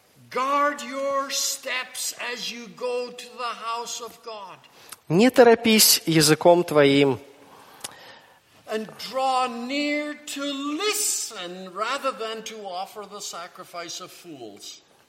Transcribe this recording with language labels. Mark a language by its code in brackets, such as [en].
[en] Guard your steps as you go to the house of God. [ru] Не торопись языком твоим. [en] And draw near to listen rather than to offer the sacrifice of fools.